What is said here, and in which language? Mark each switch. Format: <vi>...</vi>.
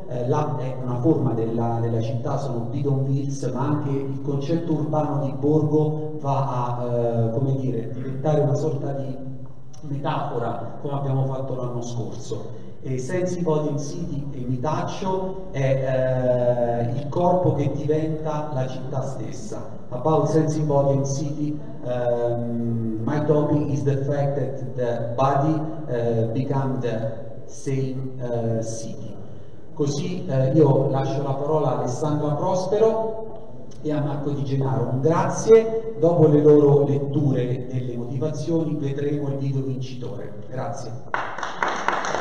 <it>Là è una forma della città, sono bidonvilles, ma anche il concetto urbano di borgo va a diventare una sorta di metafora, come abbiamo fatto l'anno scorso. E Sensi Body in City e Mitaccio è il corpo che diventa la città stessa.</it> <en>About Sensi Body in City, my topic is the fact that the body becomes the same city.</en> <it>Così io lascio la parola a Alessandra Prospero e a Marco Di Gennaro. Un grazie. Dopo le loro letture delle motivazioni vedremo il video vincitore. Grazie.</it>